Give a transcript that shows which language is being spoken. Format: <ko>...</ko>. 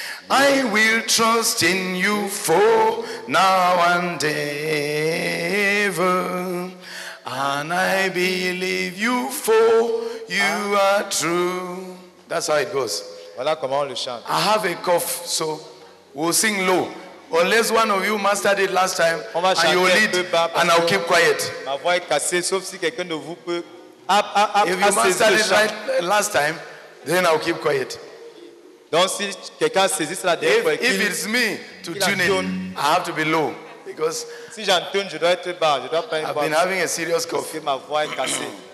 <en>I will trust in you for now and ever. And I believe you for you are true. That's how it goes.</en> <fr>Voilà comment on le chante.</fr> <en>I have a cough, so we'll sing low. Unless one of you mastered it last time,</en> <fr>on va</fr> <en>and you will lead, and I'll keep quiet.</en> <fr>Ma voix est cassée, sauf si quelqu'un de vous peut.</fr> <en>If you mastered it right last time, then I'll keep quiet.</en> <fr>Donc si quelqu'un saisit cela derrière,</fr> <en>if it's me to tune in, I have to be low because.</en> <fr>Si j'entends, je dois être bas. Je dois pas.</fr> <en>I've been having a serious cough.</en> <fr>Ma voix est cassée.</fr>